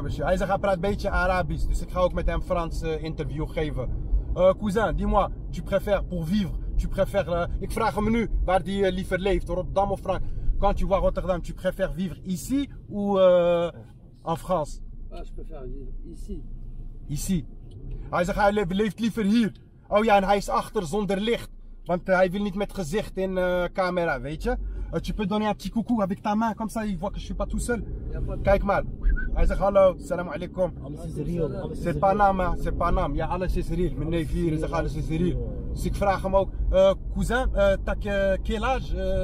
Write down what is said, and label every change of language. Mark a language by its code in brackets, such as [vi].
[nl] Hij zegt, hij praat een beetje Arabisch, dus ik ga ook met hem Frans interview geven. [fr] Cousin, dis-moi, tu préfères pour vivre, tu préfères. [nl] Ik vraag hem nu waar hij liever leeft, Rotterdam of Frank. [fr] Quand tu vois Rotterdam, tu préfères vivre ici ou en France? Je préfère vivre ici. [nl] Ici. Hij zegt, hij leeft liever hier. Oh ja, en hij is achter zonder licht. Want hij wil niet met gezicht in camera, weet je? [fr] Tu peux donner un petit coucou avec ta main, comme ça il voit que je suis pas tout seul. [nl] Kijk maar. Hij zegt hallo, salam alaikum. Alles is real. [fr] C'est Panama, c'est Panam. [nl] Ja, alles is real. Mijn neef hier zegt alles is real. Dus ik vraag hem ook, [fr] cousin, t'as quel âge?